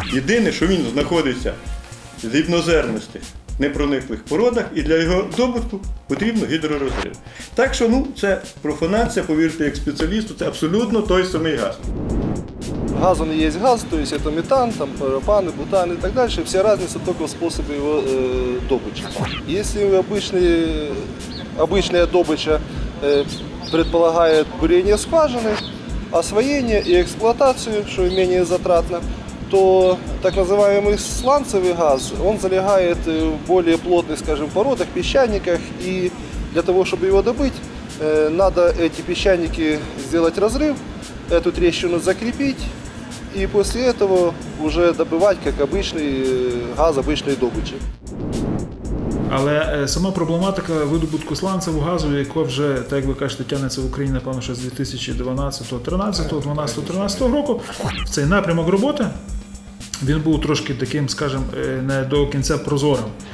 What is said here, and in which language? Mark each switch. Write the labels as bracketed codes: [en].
[uk] Єдине, що він знаходиться зібнозерності, непрониклих породах, і для його добутку потрібно гідророзрив. Так що, ну, це профанація, повірте, як спеціалісту, це абсолютно той самий газ. Газ, він є газ, тобто це метан, там, пропан, бутан і так далі, всі різні тільки способи його добичі. Якщо звичайна добича предполагає буріння скважини, освоєння і експлуатацію, що менш затратно, [ru] то так называемый сланцевый газ, он залегает в более плотных, скажем, породах, песчаниках, и для того, чтобы его добыть, надо эти песчаники сделать разрыв, эту трещину закрепить, и после этого уже добывать, как обычный газ, обычной добычи. [uk] Але сама проблематика видобутку сланцевого газу, яка вже, так як ви кажете, тягнеться в Україні, напевно, ще з 2012-2013 року, цей напрямок роботи, він був трошки таким, скажімо, не до кінця прозорим.